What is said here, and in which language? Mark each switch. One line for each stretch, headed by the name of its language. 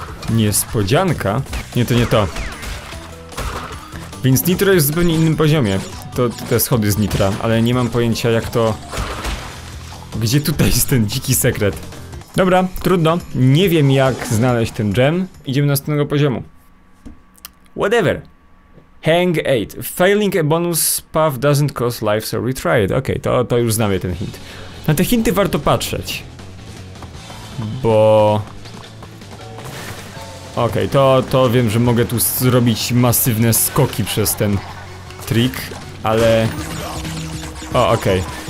Polish: Niespodzianka. Nie, to nie to. Więc nitro jest w zupełnie innym poziomie. To te schody z nitra, ale nie mam pojęcia, jak to... Gdzie tutaj jest ten dziki sekret? Dobra, trudno. Nie wiem, jak znaleźć ten gem. Idziemy do następnego poziomu.
English: Whatever. Hang 8. Failing a bonus path doesn't cost life, so retry it.
Polish: Okej, to już znamy ten hint. Na te hinty warto patrzeć. Bo... Okej, to wiem, że mogę tu zrobić masywne skoki przez ten trik, ale... O, okej.